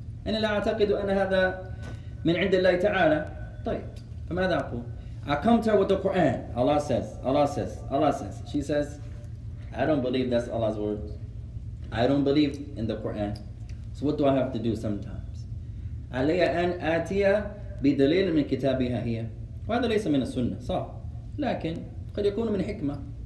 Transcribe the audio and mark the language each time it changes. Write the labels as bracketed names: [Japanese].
[Arabic] أنا لا أعتقد أن هذا من عند الله تعالى. [English] طيب. فماذا أقول؟ I come to her with the Quran. Allah says. She says, I don't believe that's Allah's words. I don't believe in the Quran. So what do I have to do sometimes? [Arabic] علي أن آتي بدليل من كتابها هي. وهذا ليس من السنة صح, لكن قد يكون من حكمة.